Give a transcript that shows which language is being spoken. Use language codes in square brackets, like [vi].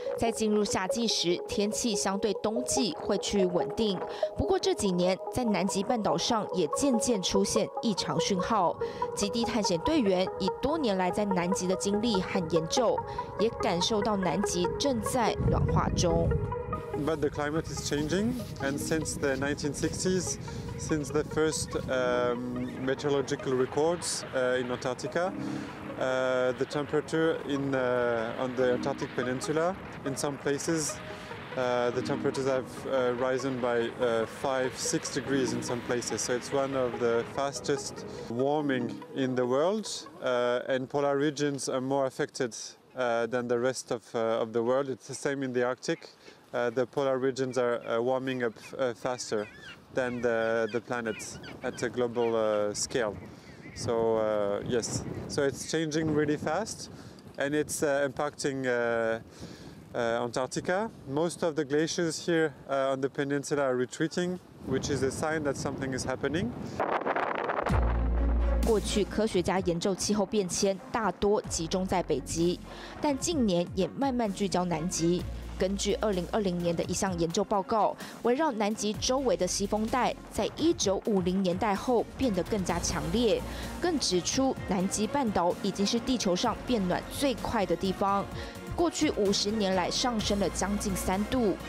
[zh] 在进入夏季时，天气相对冬季会趋于稳定。不过这几年，在南极半岛上也渐渐出现异常讯号。极地探险队员以多年来在南极的经历和研究，也感受到南极正在暖化中。 [en] But the climate is changing, and since the 1960s. Since the first meteorological records in Antarctica, the temperature on the Antarctic Peninsula, in some places, the temperatures have risen by 5-6 degrees in some places. So it's one of the fastest warming in the world, and polar regions are more affected than the rest of the world. It's the same in the Arctic. The polar regions are warming up faster. Than the planet at a global scale. So, yes, so it's changing really fast and it's impacting Antarctica. Most of the glaciers here on the peninsula are retreating, which is a sign that something is happening. [zh] 过去科学家研究气候变迁大多集中在北极，但近年也慢慢聚焦南极。根据2020年的一项研究报告，围绕南极周围的西风带在1950年代后变得更加强烈，更指出南极半岛已经是地球上变暖最快的地方，过去50年来上升了将近3度。